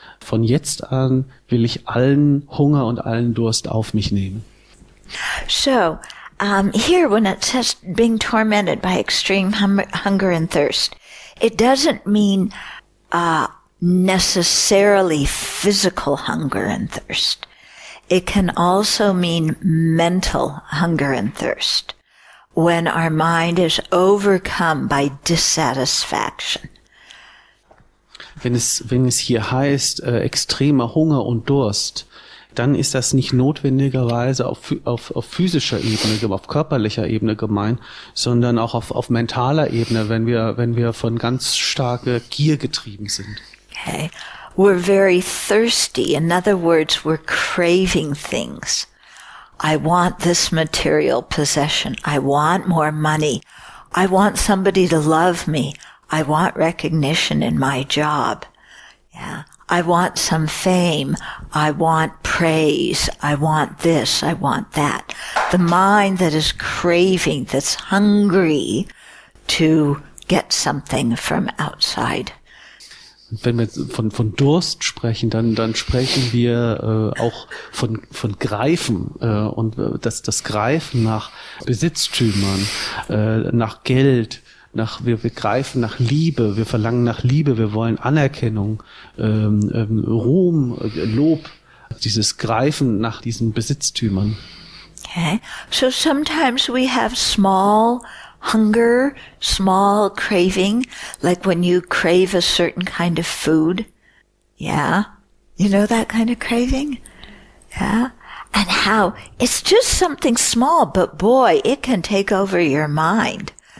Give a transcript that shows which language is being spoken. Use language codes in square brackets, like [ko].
[de] Von jetzt an will ich allen Hunger und allen Durst auf mich nehmen. [en] So, here when it says being tormented by extreme hunger and thirst, it doesn't mean necessarily physical hunger and thirst. It can also mean mental hunger and thirst, when our mind is overcome by dissatisfaction. [de] Wenn es hier heißt, extremer Hunger und Durst, dann ist das nicht notwendigerweise auf physischer Ebene, auf körperlicher Ebene gemeint, sondern auch auf mentaler Ebene, wenn wir von ganz starker Gier getrieben sind. [en] Okay. We're very thirsty. In other words, we're craving things. I want this material possession. I want more money. I want somebody to love me. I want recognition in my job. Yeah. I want some fame. I want praise. I want this. I want that. The mind that is craving, that's hungry to get something from outside. [de] Wenn wir von Durst sprechen, dann sprechen wir auch von Greifen und das Greifen nach Besitztümern, nach Geld. Wir greifen nach Liebe, wir verlangen nach Liebe, wir wollen Anerkennung, Ruhm, Lob, dieses Greifen nach diesen Besitztümern. [en] Okay, so sometimes we have small hunger, small craving, like when you crave a certain kind of food. Yeah, you know that kind of craving? Yeah, and how, it's just something small, but boy, it can take over your mind.